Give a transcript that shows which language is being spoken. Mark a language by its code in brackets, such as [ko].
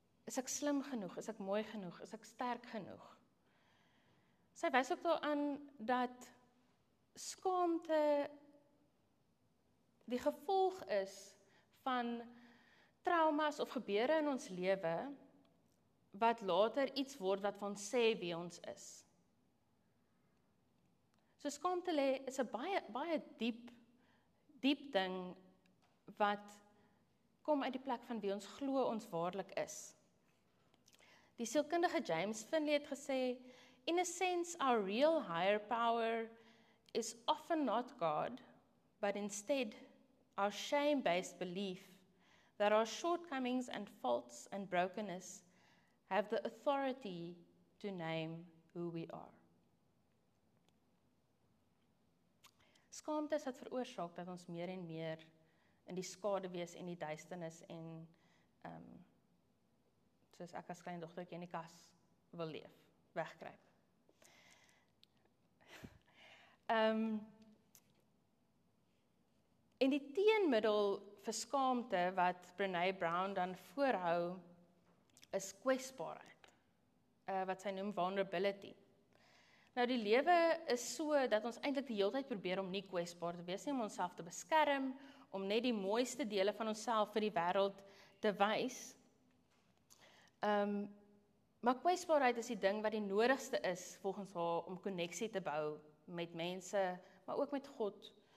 [af] Is ek slim genoeg? Is ek mooi genoeg? Is ek sterk genoeg? Sy wys ook daaraan dat skaamte die gevolg is van traumas of gebeure in ons lewe wat later iets word wat van sê wie ons is. So skaamte lê is 'n baie diep ding wat kom uit die plek van wie ons glo ons waarlik is. Die sielkundige James Finley het gesê, [en] "In a sense our real higher power is often not God, but instead our shame-based belief that our shortcomings and faults and brokenness have the authority to name who we are." [af] Skaamte is wat veroorsaak dat ons meer en meer in die skaduwees en die duisternis en soos ek as klein dogtertjie in die kas wil leef, wegkruip. En die teenmiddel vir skaamte wat Brené Brown dan voorhou, is kwesbaarheid, wat sy noem vulnerability. Nou die lewe is so dat ons eintlik die hele tyd probeer om nie kwesbaar te wees nie, om onsself te beskerm, om net die mooiste dele van onsself vir die wêreld te wys. Maar kwesbaarheid is die ding wat die nodigste is volgens haar om koneksie te bou met mense, maar ook met God.